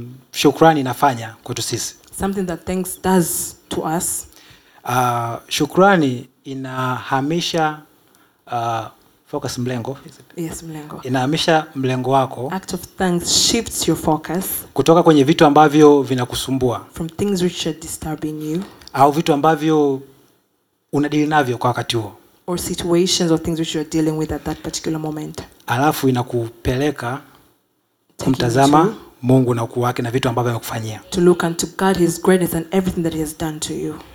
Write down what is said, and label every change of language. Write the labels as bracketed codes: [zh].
[sw] shukrani inafanya kwetu sisi. [en] Something that thanks does to us. [sw] Shukrani inahamisha focus mlengo. Yes, mlengo. Inahamisha mlengo wako. [en] Act of thanks shifts your focus. [sw] Kutoka kwenye vitu ambavyo vinakusumbua. [en] From things which are disturbing you. [sw] Au vitu ambavyo unadili navyo kwa wakati huo. [en] Or situations or things which you are dealing with at that particular moment. [sw] Alafu inakupeleka kumtazama Mungu na ukuu wake na vitu ambavyo amekufanyia. [en] To look unto God, his greatness and everything that he has done to you.